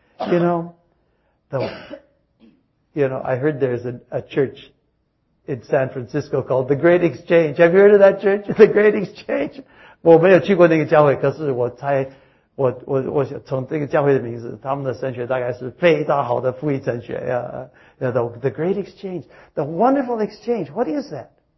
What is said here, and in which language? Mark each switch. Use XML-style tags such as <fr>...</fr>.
<en>You know I heard there's a church in San Francisco called The Great Exchange. Have you heard of that church? The Great Exchange.</en> <zh>我没有去过那个教会，可是我猜我从这个教会的名字，他们的神学大概是非常好的福音神学呀。</zh> <en>The Great Exchange, The Wonderful Exchange, What is that?</en>